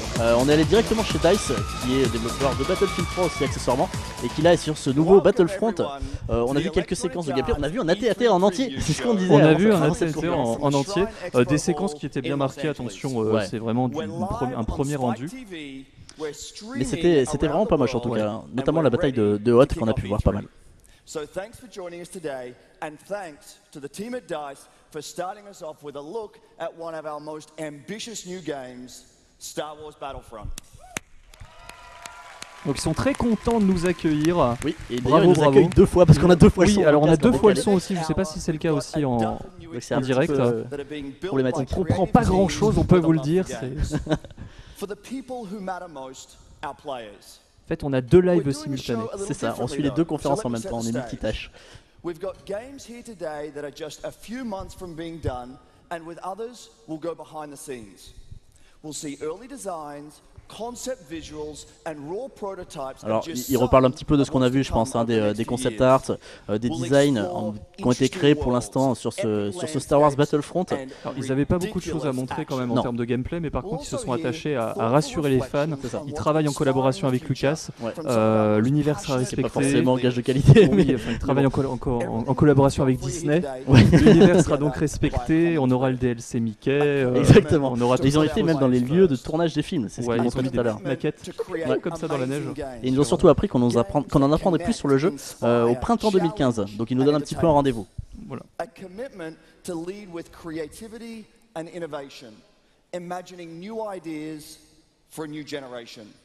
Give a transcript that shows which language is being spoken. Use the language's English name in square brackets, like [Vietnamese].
[French] On est allé directement chez DICE, qui est développeur de Battlefield 3 aussi accessoirement, et qui là est sur ce nouveau Battlefront. On a vu quelques séquences de gameplay, on a vu un AT-AT en entier, c'est ce qu'on disait. On a vu un AT-AT en entier, des séquences qui étaient bien marquées, attention, ouais. C'est vraiment un premier rendu. Mais c'était vraiment pas moche en tout cas, hein. Notamment la bataille de Hoth qu'on a pu voir pas mal. [English] So thanks for joining us today, and thanks to the team at DICE for starting us off with a look at one of our most ambitious new games, Star Wars Battlefront. [French] Donc ils sont très contents de nous accueillir. Oui, et bravo, ils nous bravo. Accueillent deux fois parce qu'on a deux fois oui, le son. Oui, alors on a deux fois le son aussi, je ne sais pas si c'est le cas aussi en direct. C'est un direct. Peu problématique. On ne comprend pas grand-chose, on peut vous le dire. [English] For the people who matter most, our players. [French] En fait, on a deux lives simultanés. C'est ça, on suit les deux conférences en même temps, on est multitâche. [English] We've got games here today that are just a few months from being done, and with others, we'll go behind the scenes. We'll see early designs, concept visuals, and raw prototypes. [French] Alors, il reparle un petit peu de ce qu'on a vu, je pense, hein, des concept art, des designs qui ont été créés pour l'instant sur ce Star Wars Battlefront. Alors, ils n'avaient pas beaucoup de choses à montrer quand même en termes de gameplay, mais par contre, ils se sont attachés à rassurer les fans. Ils travaillent en collaboration avec Lucas. Ouais. L'univers sera respecté. C'est pas forcément un gage de qualité, mais ils travaillent en collaboration avec Disney. L'univers sera donc respecté. On aura le DLC Mickey. Exactement. Ils ont été même dans les lieux de tournage des films. C'est ce qu'ils ont dit tout à l'heure. Maquettes, ouais. Comme ça dans la neige. Et ils nous ont surtout appris qu'on en apprendrait plus sur le jeu au printemps 2015. Donc ils nous donnent un petit peu un rendez-vous. Voilà. [English] A commitment to lead with creativity and innovation, imagining new ideas for a new generation.